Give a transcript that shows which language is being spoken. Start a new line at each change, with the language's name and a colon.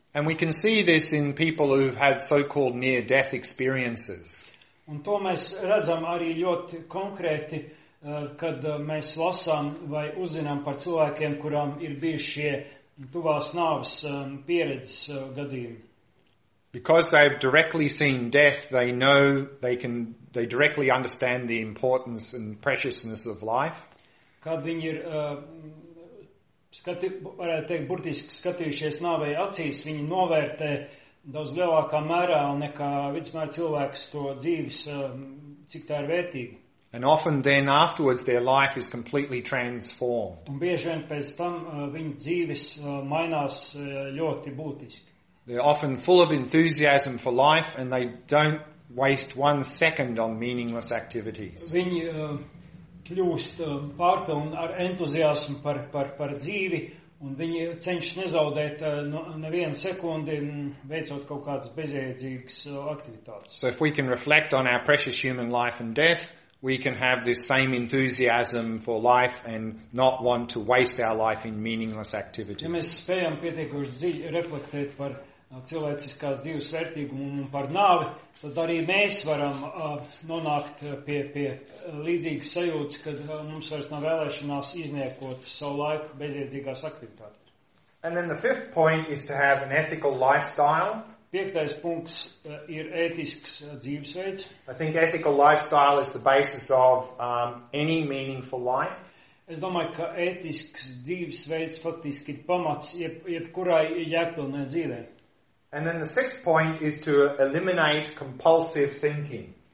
English: And we can see this in people who've had so-called near-death experiences.
Latvian: Un to mēs redzam arī ļoti konkrēti, kad mēs lasām vai uzzinām par cilvēkiem, kuram ir bijušie tuvās nāves pieredzes gadījumi.
English: Because they've directly seen death, they know they directly understand the importance and preciousness of life.
Latvian: Kad viņi ir varētu teikt, burtiski skatījušies nāvei acīs, viņi novērtē daudz lielākā mērā nekā vidusmēr cilvēks to dzīves, cik tā ir vērtīga.
English: And often then afterwards their life is completely transformed.
Latvian: Un bieži vien pēc tam viņu dzīves mainās ļoti būtiski.
English: They're often full of enthusiasm for life and they don't waste one second on meaningless activities.
Latvian: Viņi kļūst pārpilni ar entuziasmu par dzīvi un viņi cenšas nezaudēt nevienu sekundi veicot kaut kādas bezjēdzīgas aktivitātes.
English: So if we can reflect on our precious human life and death, we can have this same enthusiasm for life and not want to waste our life in meaningless activities.
Latvian: Ja mēs spējam pietiekoši dzīvi reflektēt par cilvēciskās dzīves vērtīgumu un par nāvi, tad arī mēs varam nonākt pie līdzīgas sajūtas, kad mums vairs nav vēlēšanās izniekot savu laiku bezjēdzīgās aktivitātes.
English: And then the fifth point is to have an ethical lifestyle.
Latvian: Piektais punkts ir ētisks dzīvesveids.
English: I think ethical lifestyle is the basis of any meaningful life.
Latvian: Es domāju, ka ētisks dzīvesveids faktiski ir pamats jebkurai jēgpilnai dzīvei.
English: And then the sixth point is to eliminate compulsive thinking.